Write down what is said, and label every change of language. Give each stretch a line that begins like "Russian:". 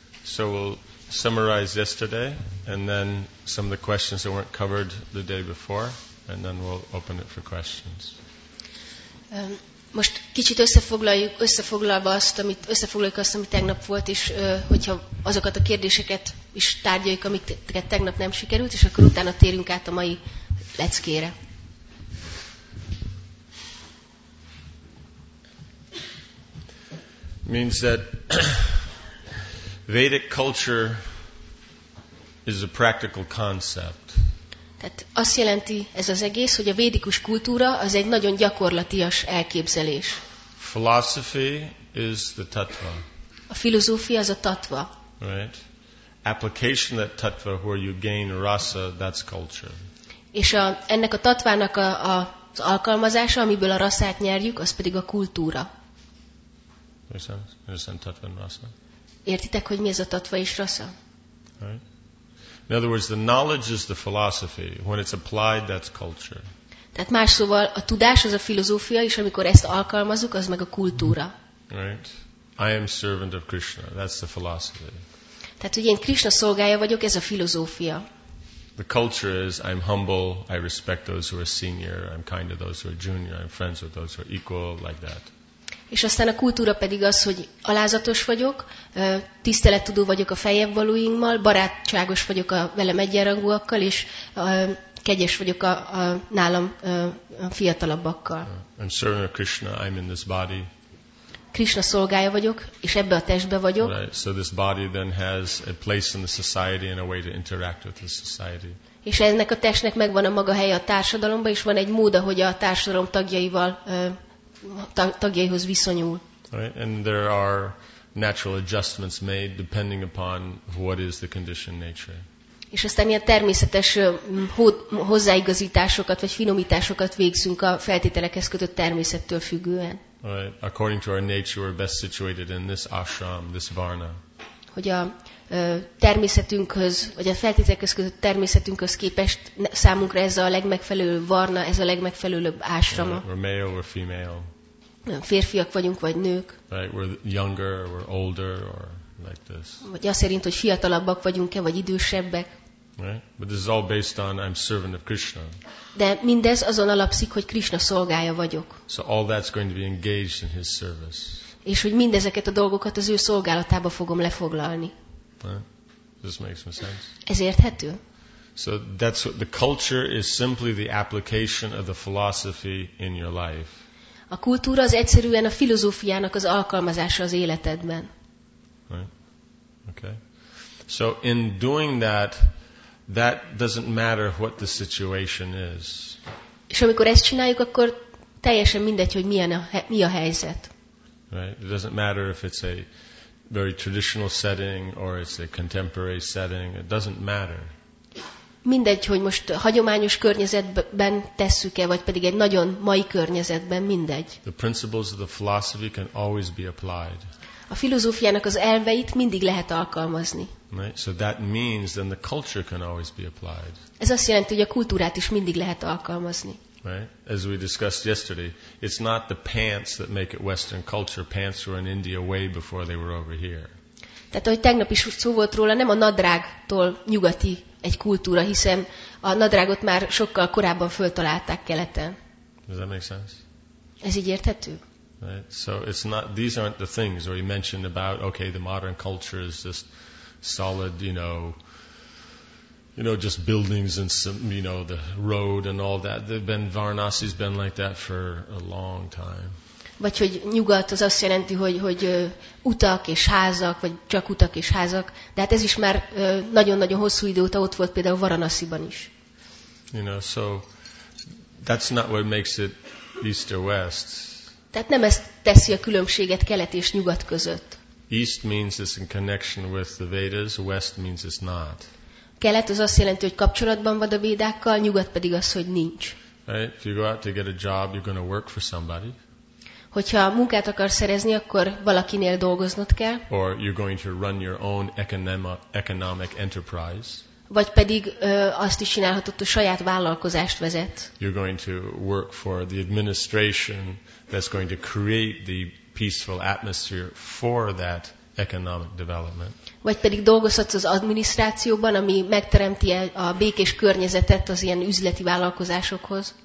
English: So we'll summarize yesterday and then some of the questions that weren't covered the day before, and then we'll open it for questions.
Hungarian: Most kicsit összefoglaljuk azt, ami tegnap volt, és hogyha azokat a kérdéseket is tárgyaljuk, amiket tegnap nem sikerült, és akkor utána térünk át a mai leckére.
English: Means that Vedic culture is a practical concept.
Hungarian: Tehát azt jelenti ez az egész, hogy a védikus kultúra az egy nagyon gyakorlatias elképzelés.
English: Philosophy is the tattva.
Hungarian: A filozófia az a tattva.
English: Right. Application that tattva where you gain rasa, that's culture.
Hungarian: És ennek a tattvának az alkalmazása, amiből a rasát nyerjük, az pedig a kultúra.
English: Understand tattva and rasa.
Hungarian: Értitek, hogy mi ez a tattva és rasa?
English: Right. In other words, the knowledge is the philosophy. When it's applied, that's culture.
Hungarian: Tehát más szóval a tudás az a filozófia, és amikor ezt alkalmazzuk, az meg a kultúra.
English: Right. I am servant of Krishna. That's the philosophy.
Hungarian: Tehát ugye én Krishna szolgája vagyok, ez a filozófia.
English: The culture is I'm humble, I respect those who are senior, I'm kind to those who are junior, I'm friends with those who are equal, like that.
Hungarian: És aztán a kultúra pedig az, hogy alázatos vagyok, tisztelettudó vagyok a feljebb valóinkmal, barátságos vagyok a velem egyenrangúakkal, és kegyes vagyok a nálam a fiatalabbakkal.
English: I'm serving Krishna, I'm in this body.
Hungarian: Krishna szolgája vagyok, és ebbe a testbe vagyok.
English: Right. So this body then has a place in the society and a way to interact with the society.
Hungarian: És ennek a testnek megvan a maga helye a társadalomban, és van egy mód, ahogy a társadalom tagjaival tagjaihoz viszonyul.
English: Right. And there are natural adjustments made depending upon what is the conditioned nature.
Hungarian: És aztán ilyen természetes hozzáigazításokat vagy finomításokat végzünk a feltételekhez kötött természettől függően.
English: Right. According to our nature, we're best situated in this ashram, this varna.
Hungarian: Hogy a természetünkhöz, vagy a feltételekhez kötött természetünkhöz képest számunkra ez a legmegfelelőbb varna, ez a legmegfelelőbb ásrama.
English: We're male or female.
Hungarian: Férfiak vagyunk, vagy nők.
English: Right, we're younger, we're older, or like this.
Hungarian: Vagy azt szerint, hogy fiatalabbak vagyunk-e, vagy idősebbek.
English: Right? But this is all based on I'm servant of Krishna.
Hungarian: De mindez azon alapszik, hogy Krishna szolgája vagyok.
English: So all that's going to be engaged in his service.
Hungarian: És hogy mindezeket a dolgokat az ő szolgálatába fogom lefoglalni.
English: Right? This makes some sense.
Hungarian: Ez érthető?
English: So that's what the culture is, simply the application of the philosophy in your life.
Hungarian: A kultúra az egyszerűen a filozófiának az alkalmazása az életedben.
English: Right. Okay. So in doing that, that doesn't matter what the situation is.
Hungarian: És amikor ezt csináljuk, akkor teljesen mindegy, hogy mi a helyzet.
English: Right. It doesn't matter if it's a very traditional setting or it's a contemporary setting. It doesn't matter.
Hungarian: Mindegy, hogy most hagyományos környezetben tesszük-e, vagy pedig egy nagyon mai környezetben, mindegy.
English: The principles of the philosophy can always be applied.
Hungarian: A filozófiának az elveit mindig lehet alkalmazni.
English: Right? So that means then the culture can always be applied.
Hungarian: Ez azt jelenti, hogy a kultúrát is mindig lehet alkalmazni.
English: Right? As we discussed yesterday, it's not the pants that make it Western culture. Pants were in India way before they were over here.
Hungarian: Tehát, ahogy tegnap is szó volt róla, nem a nadrágtól nyugati egy kultúra, hiszen a nadrágot már sokkal korábban föltalálták keleten.
English: Does that make sense?
Hungarian: Ez így érthető?
English: Right. So it's not, these aren't the things where you mentioned about, okay, the modern culture is just solid, you know, just buildings and some, you know, the road and all that. Varanasi's been like that for a long time.
Hungarian: Vagy hogy nyugat az azt jelenti, hogy utak és házak, vagy csak utak és házak. De hát ez is már nagyon-nagyon hosszú idő óta ott volt, például Varanasiban is.
English: You know, so that's not what makes it east or west.
Hungarian: Tehát nem ez teszi a különbséget kelet és nyugat között.
English: East means it's in connection with the Vedas, west means it's not.
Hungarian: Kelet az azt jelenti, hogy kapcsolatban van a Védákkal, nyugat pedig az, hogy nincs.
English: Right? If you go out to get a job, you're going to work for somebody.
Hungarian: Hogyha munkát akarsz szerezni, akkor valakinél dolgoznod kell.
English: Or you're going to run your own economic enterprise.
Hungarian: Vagy pedig azt is csinálhatod, hogy saját vállalkozást vezet.
English: You're going to work for the administration that's going to create the peaceful atmosphere for that economic development.
Hungarian: Vagy pedig dolgozhatsz az adminisztrációban, ami megteremti a békés környezetet az ilyen üzleti vállalkozásokhoz.